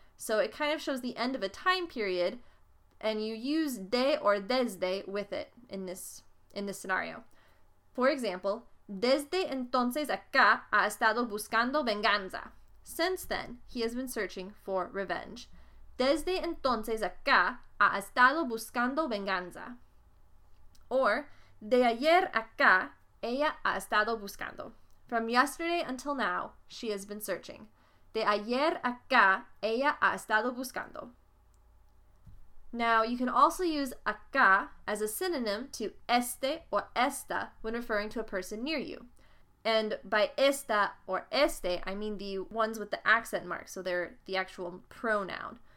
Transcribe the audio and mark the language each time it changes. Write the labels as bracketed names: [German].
[English] So it kind of shows the end of a time period, and you use de or desde with it in this scenario. For example, [Spanish] desde entonces acá ha estado buscando venganza. [English] Since then, he has been searching for revenge. [Spanish] Desde entonces acá ha estado buscando venganza. Or, de ayer acá, ella ha estado buscando. [English] From yesterday until now, she has been searching. [Spanish] De ayer acá, ella ha estado buscando. [English] Now, you can also use acá as a synonym to este or esta when referring to a person near you. And by esta or este, I mean the ones with the accent mark, so they're the actual pronoun.